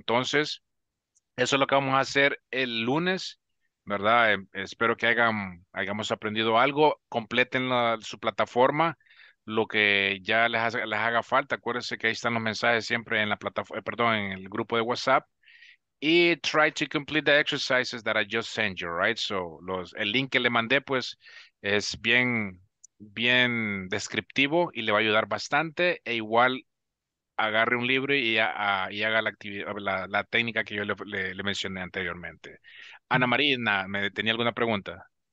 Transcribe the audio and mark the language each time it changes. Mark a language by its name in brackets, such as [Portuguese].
[Spanish] Entonces, eso es lo que vamos a hacer el lunes, ¿verdad? Espero que hayamos aprendido algo. Completen su plataforma, lo que ya les haga falta. Acuérdense que ahí están los mensajes siempre en la plataforma, perdón, en el grupo de WhatsApp. Y [English] try to complete the exercises that I just sent you, right? So, [Spanish] el link que le mandé, pues, es bien, bien descriptivo y le va a ayudar bastante. E igual, agarre un libro y haga la técnica que yo le mencioné anteriormente. Ana Marina, ¿me tenía alguna pregunta?